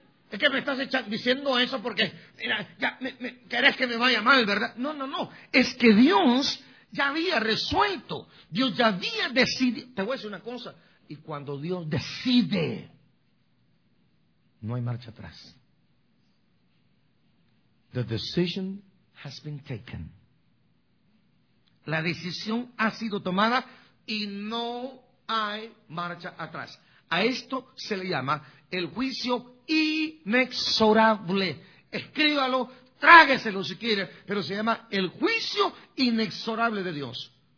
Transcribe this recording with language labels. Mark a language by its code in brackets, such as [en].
[es] Es que me estás diciendo eso porque, mira, ya querés que me vaya mal, ¿verdad? No, no, no. Es que Dios ya había resuelto. Dios ya había decidido. Te voy a decir una cosa. Y cuando Dios decide, no hay marcha atrás. [en] The decision has been taken. [es] La decisión ha sido tomada y no hay marcha atrás. A esto se le llama el juicio inexorable. Escríbalo, trágueselo si quiere, pero se llama el juicio inexorable de Dios.